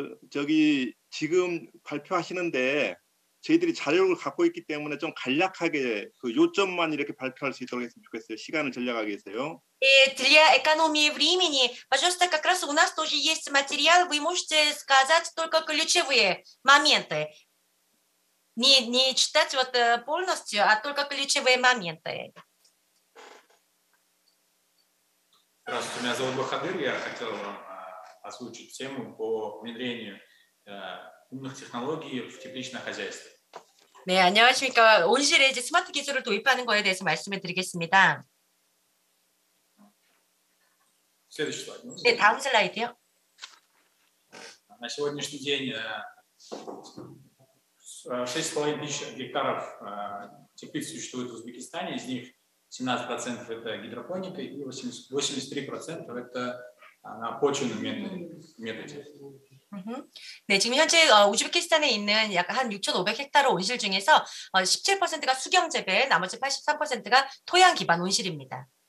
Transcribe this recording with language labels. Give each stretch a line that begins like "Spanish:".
Korean: 저기 지금 발표하시는데 저희들이 자료를 갖고 있기 때문에 좀 간략하게 그 요점만 이렇게 발표할 수 있도록 했으면 좋겠어요. 시간을 절약하기 위해서요.
Russian: И для экономии времени, пожалуйста, как раз у нас тоже есть материал, вы можете сказать только ключевые моменты. Не читать вот полностью, а только ключевые моменты. Здравствуйте, меня зовут Бахадыр. Я хотел вам озвучить тему по внедрению умных технологий в тепличное хозяйство.
Korean: 네, 안녕하십니까. 온실에 이제 스마트 기술을 도입하는 거에 대해서 말씀해 드리겠습니다.
Russian: Следующий слайд. Да, там слайд요. На сегодняшний день 6,5 тысяч гектаров теплиц существует в Узбекистане, из них 17% это гидропоника и 83% это на почвенном методе.
Korean: 네, 지금 현재 우즈베키스탄에 있는 약한 6,500헥타르 온실 중에서 17%가 수경 재배, 나머지 83%가 토양 기반 온실입니다.